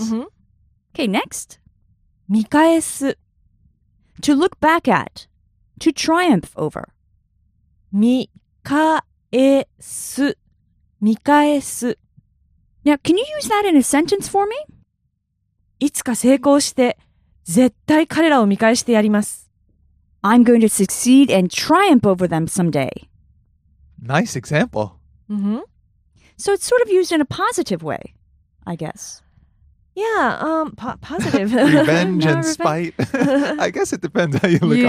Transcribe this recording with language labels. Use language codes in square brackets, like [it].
[en] Mm-hmm. Okay, next. [ja] 見返す. [en] To look back at. To triumph over. [ja] 見返す.見返す. [en] Now, can you use that in a sentence for me? [ja] いつか成功して絶対彼らを見返してやります. [en] I'm going to succeed and triumph over them someday. Nice example. Mm-hmm. So it's sort of used in a positive way, I guess. Yeah, positive. Revenge and spite. I guess it depends how you look yeah.